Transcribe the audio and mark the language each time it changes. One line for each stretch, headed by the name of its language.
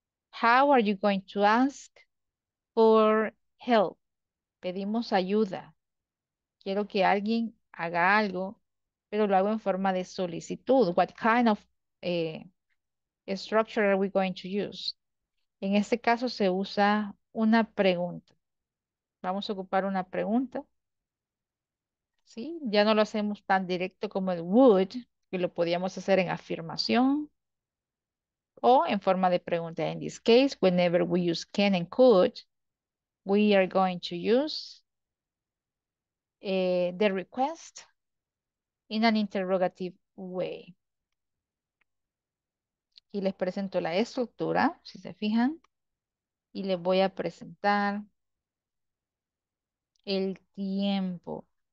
English: How are you going to ask for help?
Spanish: Pedimos ayuda. Quiero que alguien haga algo, pero lo hago en forma de solicitud.
English: What kind of structure are we going to use?
Spanish: En este caso se usa una pregunta. Vamos a ocupar una pregunta. ¿Sí? Ya no lo hacemos tan directo como el would, que lo podíamos hacer en afirmación o en forma de pregunta.
English: In this case, whenever we use can and could, we are going to use the request in an interrogative way.
Spanish: Y les presento la estructura, si se fijan, y les voy a presentar el tiempo.